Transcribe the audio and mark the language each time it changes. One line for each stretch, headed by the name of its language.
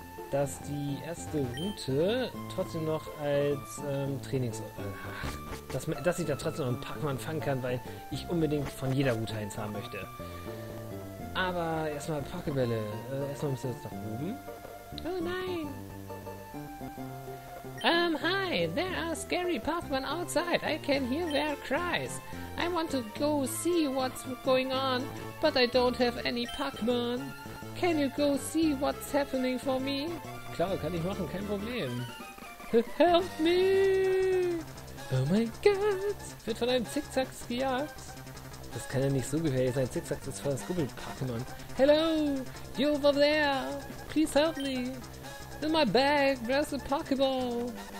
German: dass die erste Route trotzdem noch als Trainings... dass ich da trotzdem noch einen Pac-Man fangen kann, weil ich unbedingt von jeder Route eins haben möchte. Aber erstmal Pokebälle. Erstmal müssen wir jetzt nach oben. Oh nein!
English: Hi, there are scary Pokemon outside. I can hear their cries. I want to go see what's going on, but I don't have any Pokemon. Can you go see what's happening for me?
German: Klar, kann ich machen, kein Problem.
English: Help me! Oh my god!
German: Wird von einem Zickzack gejagt. Das kann ja nicht so gefährlich sein. Zickzack ist voll das Gubbel-Pokemon.
English: Hello! You over there! Please help me! In my bag, where's the Pokeball?